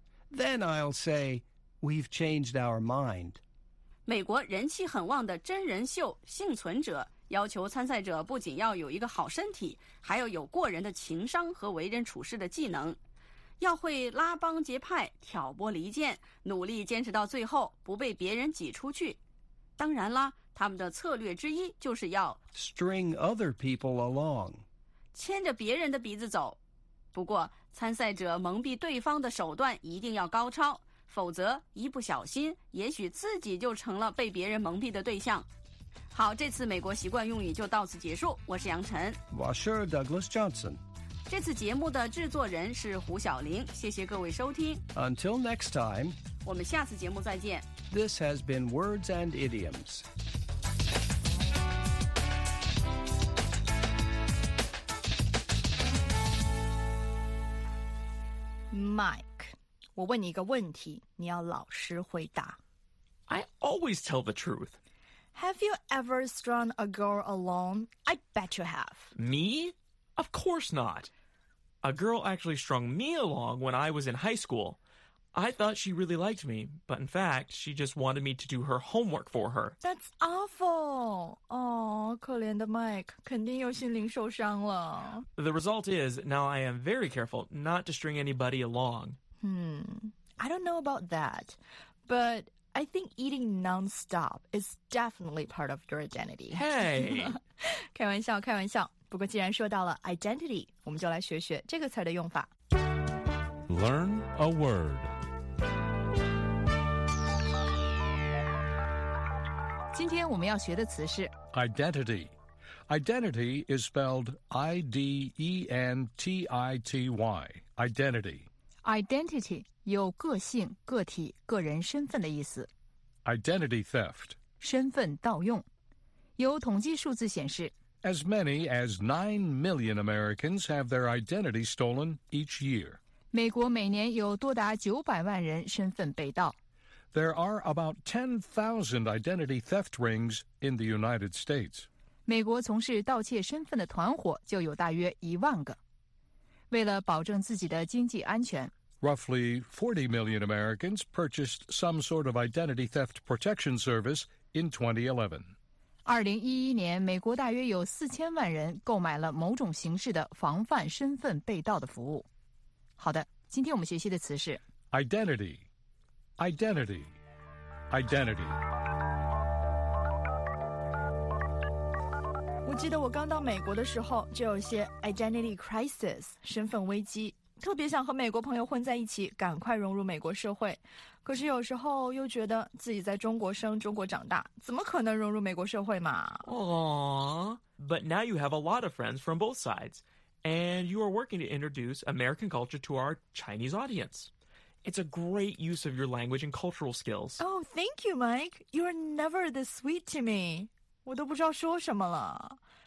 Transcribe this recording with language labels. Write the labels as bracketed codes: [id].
[en] Then I'll say, we've changed our mind. [zh] 美国人气很旺的真人秀《幸存者》要求参赛者不仅要有一个好身体，还要有过人的情商和为人处事的技能，要会拉帮结派、挑拨离间，努力坚持到最后，不被别人挤出去。当然了，他们的策略之一就是要 [en] string other people along， [zh] 牵着别人的鼻子走。不过，参赛者蒙蔽对方的手段一定要高超，否则一不小心，也许自己就成了被别人蒙蔽的对象。好，这次美国习惯用语就到此结束。我是杨晨。 [en] Washer Douglas Johnson。 [zh] 这次节目的制作人是胡晓玲。谢谢各位收听。 [en] Until next time。 [zh] 我们下次节目再见。 [en] This has been Words and Idioms。 [zh] Mike， 我问你一个问题，你要老实回答。 [en] I always tell the truth. Have you ever strung a girl along? I bet you have. Me? Of course not. A girl actually strung me along when I was in high school. I thought she really liked me, but in fact, she just wanted me to do her homework for her. That's awful. [zh] Oh, 可怜的 Mike, 肯定又心灵受伤了。 [en] The result is, now I am very careful not to string anybody along. I don't know about that, but... I think eating non-stop is definitely part of your identity. Hey! [zh] 开玩笑，开玩笑。不过既然说到了 identity, 我们就来学学这个词的用法。 [en] Learn a word. [zh] 今天我们要学的词是 [en] identity. Identity is spelled I-D-E-N-T-I-T-Y. Identity. [zh] Identity 有个性、个体、个人身份的意思。 [en] Identity theft [zh] 身份盗用。有统计数字显示 [en] As many as 9 million Americans have their identity stolen each year. [zh] 美国每年有多达900万人身份被盗。 [en] There are about 10,000 identity theft rings in the United States. [zh] 美国从事盗窃身份的团伙就有大约10,000个。为了保证自己的经济安全 [en] Roughly 40 million Americans purchased some sort of identity theft protection service in 2011. [zh] 2011年，美国大约有4000万人购买了某种形式的防范身份被盗的服务。好的，今天我们学习的词是 [en] identity, identity, identity。 [zh] 我记得我刚到美国的时候，就有些 identity crisis, 身份危机，特别想和美国朋友混在一起，赶快融入美国社会。可是有时候又觉得自己在中国生、中国长大，怎么可能融入美国社会嘛？ [en] But now you have a lot of friends from both sides, and you are working to introduce American culture to our Chinese audience. It's a great use of your language and cultural skills. Oh, thank you, Mike. You're never this sweet to me. [zh] 我都不知道说什么了。